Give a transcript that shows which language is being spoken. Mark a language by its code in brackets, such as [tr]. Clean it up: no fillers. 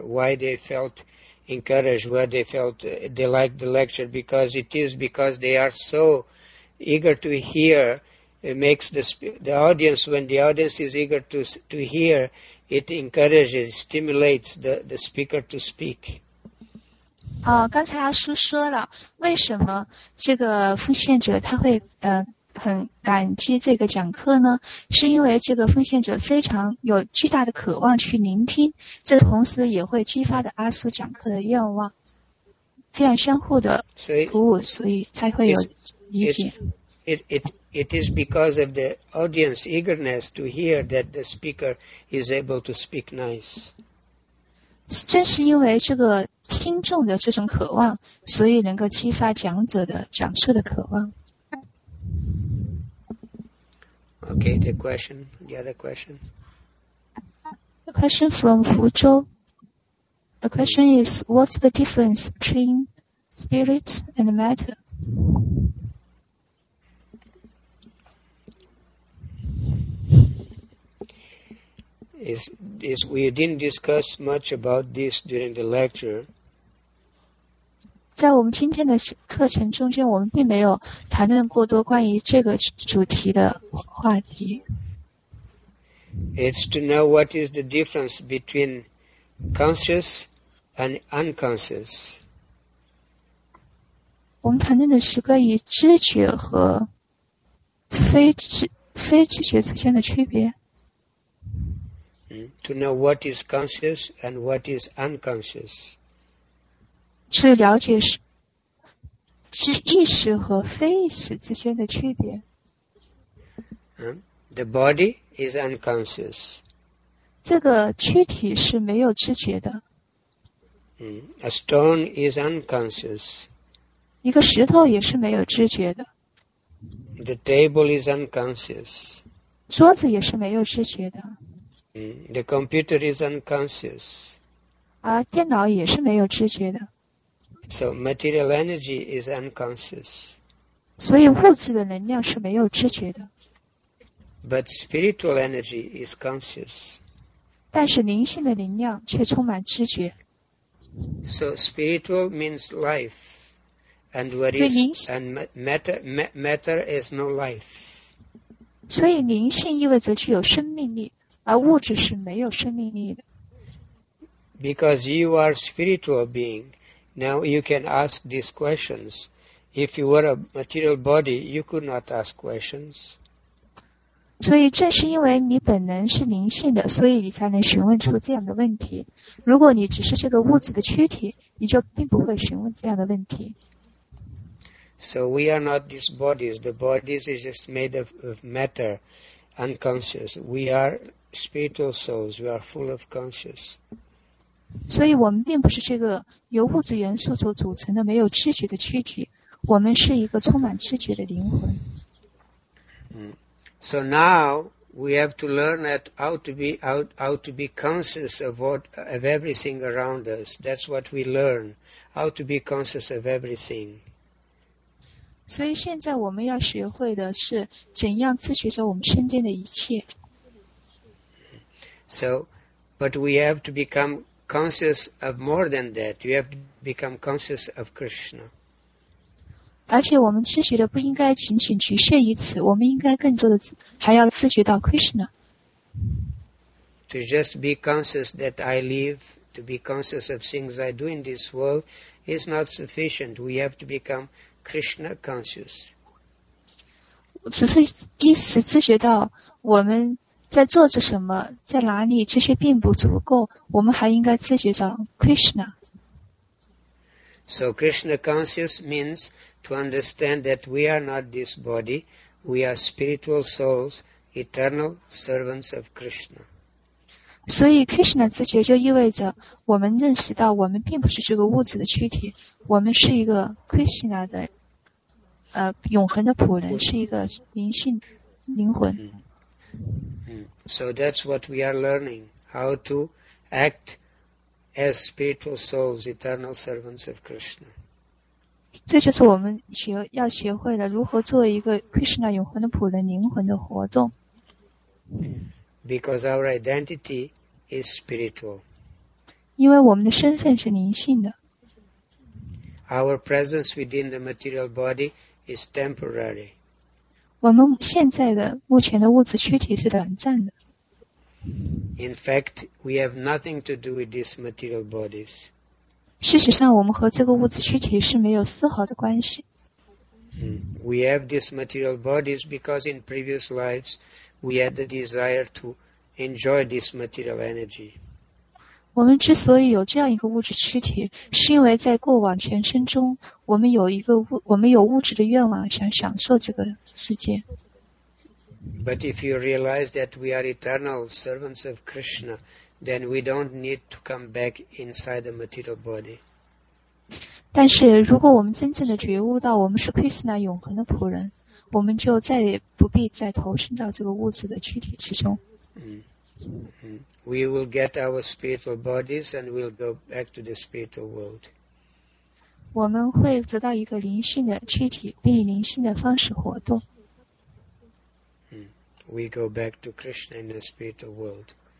[en] Why they felt encouraged, why they felt they liked the lecture, because it is because they are so eager to hear. It makes the audience, when the audience is eager to hear, it encourages, stimulates the speaker to speak. [zh] 刚才阿叔说了，为什么这个奉献者他会很感激这个讲课呢？是因为这个奉献者非常有巨大的渴望去聆听，这同时也会激发的阿叔讲课的愿望，这样相互的服务，所以他会有理解。 [en] It is because of the audience eagerness to hear that the speaker is able to speak nice. [zh] 正是因为这个听众的这种渴望，所以能够激发讲者的讲述的渴望。 [en] Okay, the question, the other question. The question from Fuzhou. The question is, what's the difference between spirit and matter? Is we didn't discuss much about this during the lecture. [zh] 在我们今天的课程中间，我们并没有谈论过多关于这个主题的话题。 [en] It's to know what is the difference between conscious and unconscious. [zh] 我们谈论的是关于知觉和非知觉之间的区别。 [en] To know what is conscious and what is unconscious. [zh] 去了解是意识和非意识之间的区别。 [en] The body is unconscious. [zh] 这个躯体是没有知觉的。 [en] A stone is unconscious. [zh] 一个石头也是没有知觉的。 [en] The table is unconscious. [zh] 桌子也是没有知觉的。 [en] The computer is unconscious. [zh] 电脑也是没有知觉的。 [en] So material energy is unconscious. [zh] 所以物质的能量是没有知觉的。 [en] But spiritual energy is conscious. [zh] 但是灵性的能量却充满知觉。 [en] So spiritual means life. And what is, and matter is no life. [zh] 所以灵性意味着具有生命力。而物质是没有生命力的。 [en] Because you are a spiritual being, now you can ask these questions. If you were a material body, you could not ask questions. [zh] 所以正是因为你本能是灵性的，所以你才能询问出这样的问题。如果你只是这个物质的躯体，你就并不会询问这样的问题。 [en] So we are not these bodies. The bodies is just made of matter, unconscious. We are... spiritual souls, we are full of conscious. [zh] 所以我们并不是这个由物质元素所组成的没有知觉的躯体，我们是一个充满知觉的灵魂。 [en] So now we have to learn that how to be conscious of everything around us. That's what we learn, how to be conscious of everything. [zh] 所以现在我们要学会的是怎样自觉着我们身边的一切。 [en] So, but we have to become conscious of more than that. We have to become conscious of Krishna. [zh] 而且我们自觉的不应该仅仅局限于此，我们应该更多的还要自觉到 Krishna。 [en] To just be conscious that I live, to be conscious of things I do in this world, is not sufficient. We have to become Krishna conscious. [zh] 只是一时自觉到我们在做着什么，在哪里，这些并不足够，我们还应该自觉到 Krishna。 [en] So Krishna conscious means to understand that we are not this body, we are spiritual souls, eternal servants of Krishna. [zh] 所以 Krishna 自觉就意味着我们认识到我们并不是这个物质的躯体，我们是一个 Krishna 的永恒的仆人，是一个灵性灵魂。 [en] So that's what we are learning, how to act as spiritual souls, eternal servants of Krishna. [zh] 这就是我们要学会的如何做一个 Krishna 永恒的仆人灵魂的活动。 [en] Because our identity is spiritual. [zh] 因为我们的身份是灵性的。 [en] Our presence within the material body is temporary. [zh] 我们现在的目前的物质躯体是短暂的。 [en] In fact, we have nothing to do with these material bodies. [zh] 事实上，我们和这个物质躯体是没有丝毫的关系。 [en] We have these material bodies because in previous lives we had the desire to enjoy this material energy. [zh] 我们之所以有这样一个物质躯体，是因为在过往前生中，我们有物质的愿望，想享受这个世界。 [en] But if you realize that we are eternal servants of Krishna, then we don't need to come back inside the material body. [zh] 但是如果我们真正的觉悟到我们是 Krishna 永恒的仆人，我们就再也不必再投身到这个物质的躯体之中。 [en] We will get our spiritual bodies and we'll go back to the spiritual world. [zh] 我们会得到一个灵性的躯体，并以灵性的方式活动。 [en] We go back to Krishna in the spiritual world.